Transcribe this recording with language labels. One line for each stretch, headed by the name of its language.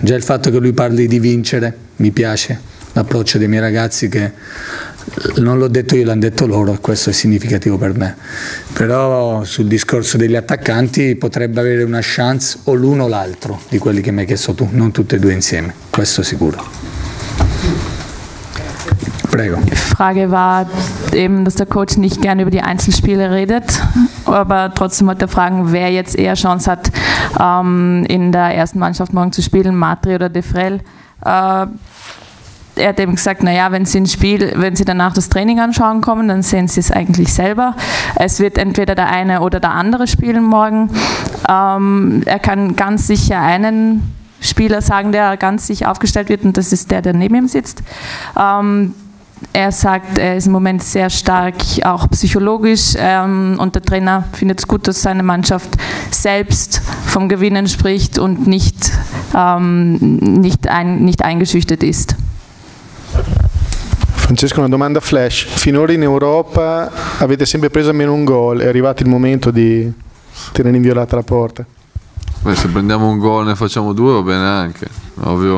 Italian: Già il fatto che lui parli di vincere mi piace. L'approccio dei miei ragazzi che non l'ho detto io, l'hanno detto loro e questo è significativo per me. Però sul discorso degli attaccanti potrebbe avere una chance o l'uno o l'altro di quelli che mi hai chiesto tu, non tutte e due insieme, questo sicuro. Prego.
German: Frage war eben, dass der Coach nicht gerne über die Einzelspiele redet, aber trotzdem wollte er fragen, wer jetzt eher Chance hat, in der ersten Mannschaft morgen zu spielen, Matri oder De Frel. Er hat eben gesagt, naja, wenn sie danach das Training anschauen kommen, dann sehen sie es eigentlich selber. Es wird entweder der eine oder der andere spielen morgen. Er kann ganz sicher einen Spieler sagen, der ganz sicher aufgestellt wird und das ist der, der neben ihm sitzt. Er sagt, er ist im Moment sehr stark, auch psychologisch und der Trainer findet es gut, dass seine Mannschaft selbst vom Gewinnen spricht und nicht eingeschüchtert ist.
Italian: Francesco, una domanda flash. Finora in Europa avete sempre preso almeno un gol, è arrivato il momento di tenere inviolata la porta? Beh, se prendiamo un gol e ne facciamo due va bene anche, ovvio.